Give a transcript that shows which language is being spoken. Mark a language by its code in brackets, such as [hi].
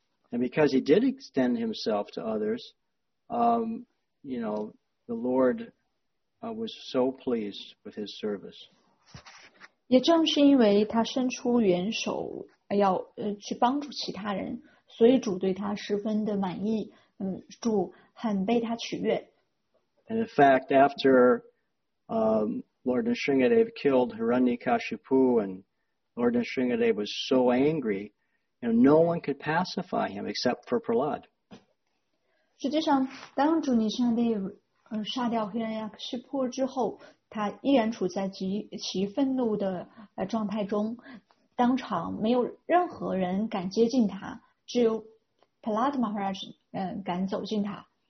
[en] And because he did extend himself to others, you know, the Lord was so pleased with his service. [zh] 也正是因为他伸出援手要去帮助其他人，所以主对他十分的满意，主很被他取悦。 [en] And in fact, afterLord Nrisimhadev killed Hiranyakashipu, and Lord Nrisimhadev was so angry, and no one could pacify him except for Prahlad. [zh] 实际上，当主尼山帝杀掉 Hiranyakashipu 之后，他依然处在极其愤怒的状态中，当场没有任何人敢接近他，只有 Prahlad Maharaj 敢走近他。